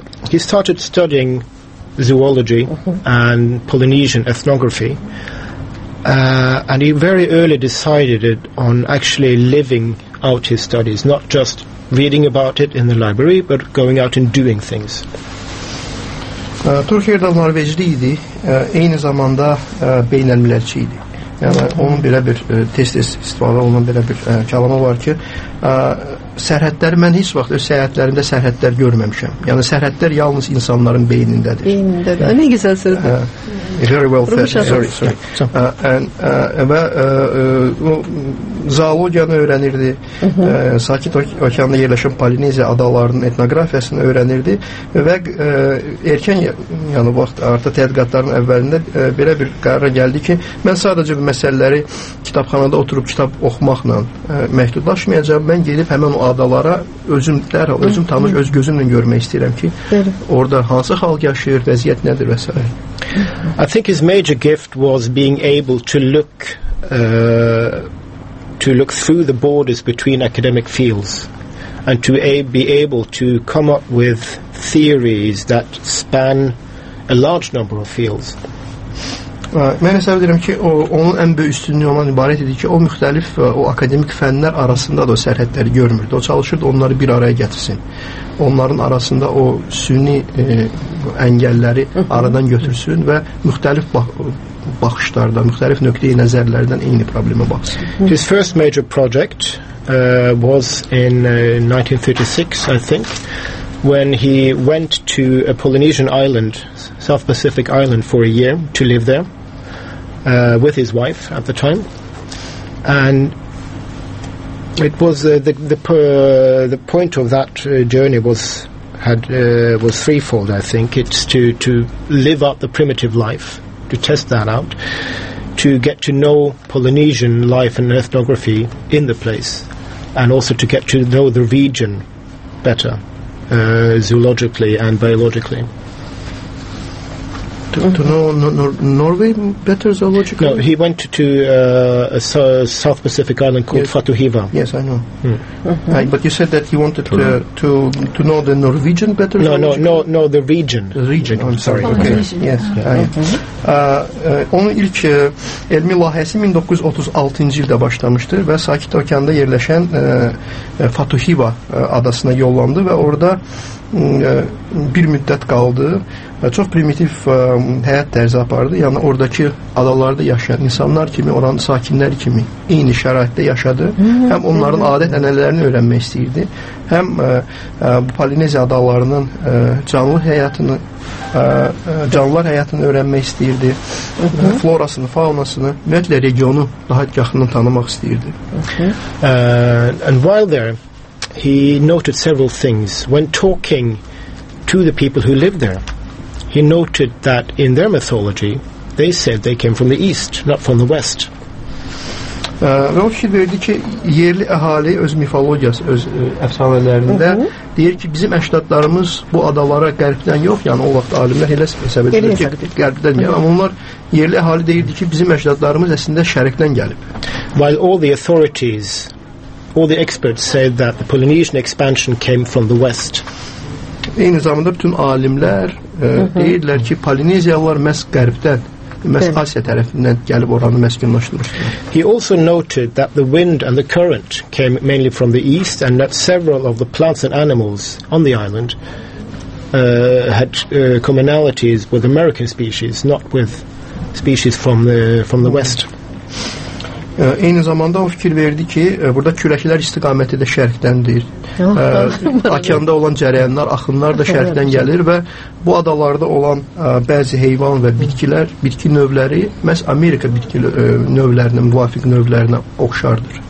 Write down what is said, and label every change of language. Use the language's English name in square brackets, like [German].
[English] He started studying zoology and Polynesian ethnography. And he very early decided on actually living out his studies, not just reading about it in the library, but going out and doing things. [Azerbaijani] Tur Heyrdal Norvecli idi, eyni zamanda beynəlmiləlçi idi. Yəni, onun belə bir tez-tez istifadə olunan belə bir kəlamı var ki, sərhədləri mən heç vaxt öz səyahətlərimdə sərhədlər görməmişəm. Yəni, sərhədlər yalnız insanların beynindədir. Beynindədir. [Turkish] Ne güzel sözdür. [English] Very well said. Sorry. [Azerbaijani] Zoologiyanı öyrənirdi. Sakit okeanda yerləşən Polineziya adalarının etnografiyasını öyrənirdi. Və erkən, yəni vaxt artıq tədqiqatların əvvəlində belə bir qərara gəldi ki, mən sadəcə bu məsələləri kitabxanada oturub kitab oxumaqla məhdudlaşmayacağım. Mən gedib həmən o adalara özüm dərhal, özüm tanış, öz gözümlə görmək istəyirəm ki, orada hansı xalq yaşayır, vəziyyət nədir və s. [English] I think his major gift was being able to look through the borders between academic fields and to be able to come up with theories that span a large number of fields. [Azerbaijani] Mən hesab edirəm ki, onun ən böyük üstünlüyü olan ibarət idi ki, o müxtəlif o akademik fənlər arasında da o sərhədləri görmürdü. O çalışırdı onları bir araya gətirsin. Onların arasında o süni əngəlləri aradan götürsün və müxtəlif baxışlarda, müxtəlif nöqteyi nəzərlərdən eyni problemə baxsın. [English] His first major project was in 1936, I think, when he went to a Polynesian island, South Pacific island, for a year to live there. With his wife at the time, and it was the point of that journey was threefold. I think it's to live out the primitive life, to test that out, to get to know Polynesian life and ethnography in the place, and also to get to know the region better, zoologically and biologically. To know Norway better zoologically? No, he went to a South Pacific island called Fatuhiva. Yes, I know. But you said that he wanted to know the Norwegian better zoologically? No, the region. The region, I'm sorry. [Azerbaijani] Onun ilk elmi layihəsi 1936-cı ildə başlamışdır və Sakit Okeanda yerləşən Fatuhiva adasına yollandı və orada bir müddət qaldı. çox primitiv həyat tərzi apardı. Yəni oradakı adalarda yaşayan insanlar kimi, oranın sakinləri kimi eyni şəraitdə yaşadı. Həm onların adət-ənənələrini öyrənmək istəyirdi, həm bu Polineziya adalarının canlı həyatını, canlılar həyatını öyrənmək istəyirdi. Florasını, faunasını, ümumiyyətlə regionu daha yaxından tanımaq istəyirdi. [English] And while there, he noted several things. When talking to the people who lived there, he noted that in their mythology, they said they came from the east, not from the west. [Azerbaijani] Və o fikir verdi ki, yerli əhali öz mifologiyası, öz əfsanələrində deyir ki, bizim əşdadlarımız bu adalara qərbdən yox, yəni o vaxt alimlər elə hesab edir ki, qərbdən yox. Amma onlar yerli əhali deyirdi ki, bizim əşdadlarımız əslində şərqdən gəlib. [English] While all the authorities, all the experts said that the Polynesian expansion came from the west. [Azerbaijani] Eyni zamanda bütün alimlər deyirlər ki, Polineziyalılar məhz qərbdən, məhz Asiya tərəfindən gəlib oranı məskunlaşdırmışlar. [English] He also noted that the wind and the current came mainly from the east and that several of the plants and animals on the island had commonalities with American species, not with species from the west. [Azerbaijani] Eyni zamanda o fikir verdi ki, burada küləklər istiqaməti də şərqdəndir. Okeanda olan cərəyənlər, axınlar da şərqdən gəlir və bu adalarda olan bəzi heyvan və bitkilər, bitki növləri məhz Amerika bitki növlərinə, müvafiq növlərinə oxşardır.